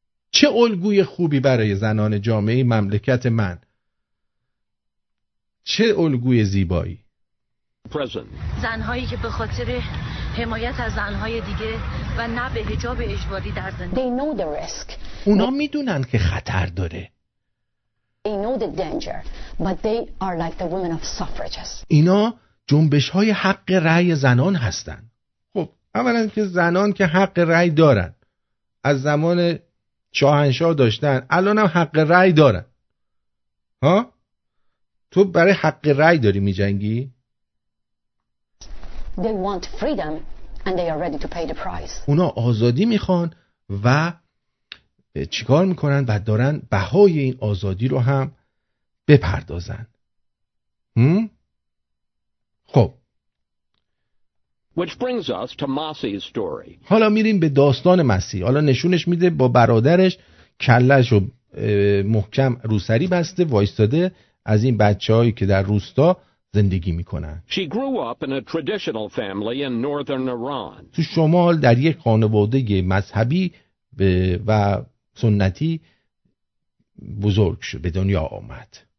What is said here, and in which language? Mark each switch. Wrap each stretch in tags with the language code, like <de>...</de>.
<fa>چه الگوی خوبی برای زنان جامعه مملکت من، چه الگوی زیبایی. زنهایی که به خاطر حمایت از زنهای دیگه و نه به حجاب اجباری در زندگی.</fa> <en>They know the</en> <fa>risk. اونا میدونن که خطر داره.</fa> <en>They know the danger, but they are like the women of suffrages.</en> <fa>اینا جنبش‌های حق رأی زنان هستن. خب اولا که زنان که حق رأی دارن، از زمان شاهنشاه داشتن، الان هم حق رأی دارن. ها؟ تو برای حق رأی داری میجنگی؟</fa> <en>They want freedom and they are ready to pay the price.</en> <fa>اونا آزادی میخوان و چیکار میکنن و دارن بهای این آزادی رو هم بپردازن.</fa> <en>خب Which brings us to Massey's story.</en> <fa>حالا میریم به داستان مسی. حالا نشونش میده با برادرش کلش رو محکم روسری بسته وایستاده از این بچه‌هایی که در روستا زندگی میکنن.</fa> <en>She grew up in a traditional family in northern Iran.</en> <fa>تو شمال در یک خانواده مذهبی و سنتی بزرگ شد، به دنیا آمد.</fa>